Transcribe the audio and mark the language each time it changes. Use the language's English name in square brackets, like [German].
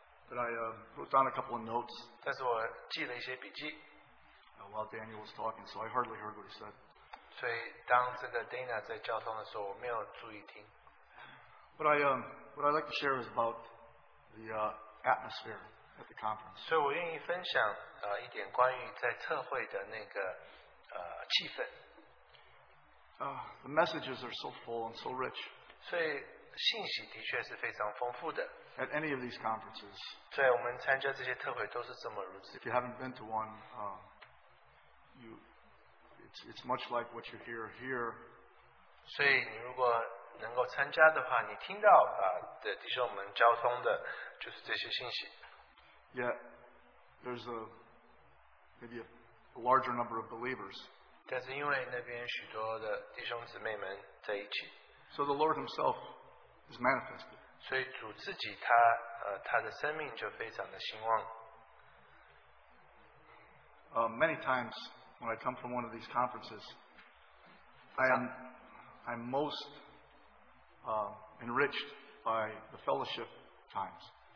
[English] But I wrote down a couple of notes. [Chinese] 但是我记了一些笔记. [English] While Daniel was talking, so I hardly heard what he said. [Chinese] 所以当这个 Dana 在交通的时候，我没有注意听. [English] But I what I'd like to share is about the atmosphere at the conference. [Chinese] 所以我愿意分享 一点关于在测绘的那个 气氛. [English] The messages are so full and so rich. [Chinese] 所以信息的确是非常丰富的. [English] At any of these conferences. [Chinese] 对，我们参加这些特会都是这么如此. [English] If you haven't been to one, it's much like what you hear here. [Chinese] 所以你如果能够参加的话，你听到 的弟兄们交通的，就是这些信息. [English] Yet there's maybe a larger number of believers. [Chinese] 但是因为那边许多的弟兄姊妹们在一起. [English] So the Lord Himself is manifested. [Chinese] 所以主自己他的生命就非常的兴旺. [English] Many times when I come from one of these conferences, I'm most enriched by the fellowship times.